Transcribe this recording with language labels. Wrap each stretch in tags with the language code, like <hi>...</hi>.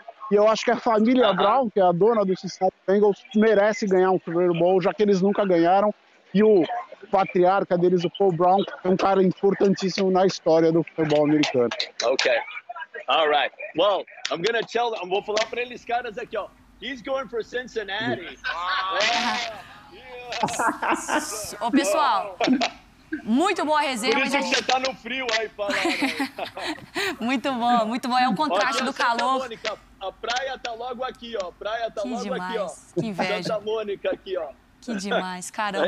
<pt>E eu acho que a família Brown, que é a dona do Cincinnati Bengals, merece ganhar um Super Bowl, já que eles nunca ganharam. E o patriarca deles, o Paul Brown, é um cara importantíssimo na história do futebol americano.</pt> <en>Ok. All right. Well, I'm gonna tell them,</en> <pt>vou falar para eles caras aqui, ó.</pt> <en>He's going for Cincinnati.</en> <pt>Ô, pessoal, muito boa a resenha. Por isso que você tá no frio aí, falando. Muito bom, muito bom. É um contraste do calor. Santa Mônica, a praia tá logo aqui, ó. Praia tá que logo demais. Aqui, ó. Que inveja. Santa Mônica aqui, ó. Que demais, caramba.</pt>